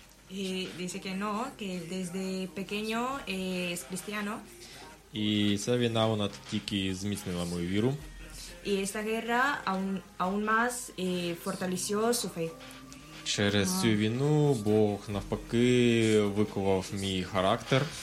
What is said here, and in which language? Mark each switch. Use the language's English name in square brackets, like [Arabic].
[Ukrainian] І [Spanish] dice que no, que desde pequeño es cristiano. [Ukrainian] І ця війна, вона тільки зміцнила мою віру. І [Spanish] esta guerra aún más fortaleció su fe. [Ukrainian] Через цю війну Бог навпаки виковав мій характер.